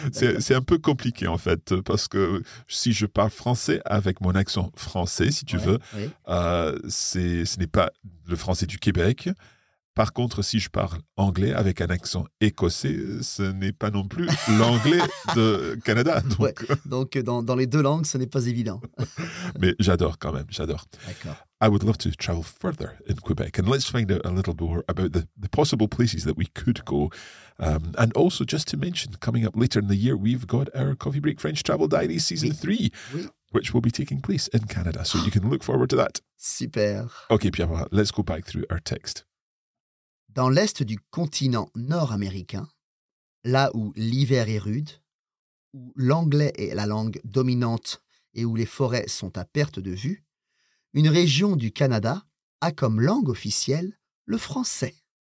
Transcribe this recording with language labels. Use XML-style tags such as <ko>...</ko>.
<fr>C'est un peu compliqué en fait, parce que si je parle français avec mon accent français, si tu veux, ce n'est pas le français du Québec. Par contre, si je parle anglais avec un accent écossais, ce n'est pas non plus l'anglais de Canada. Donc, ouais. Donc dans les deux langues, ce n'est pas évident. Mais j'adore quand même, j'adore. D'accord.</fr> <en>I would love to travel further in Quebec and let's find out a little more about the possible places that we could go. And also, just to mention, coming up later in the year, we've got our Coffee Break French Travel Diary Season 3, which will be taking place in Canada. So you can look forward to that. Super. Okay, Pierre, let's go back through our text.</en> <fr>Dans l'est du continent nord-américain, là où l'hiver est rude, où l'anglais est la langue dominante et où les forêts sont à perte de vue, une région du Canada a comme langue officielle le français.</fr>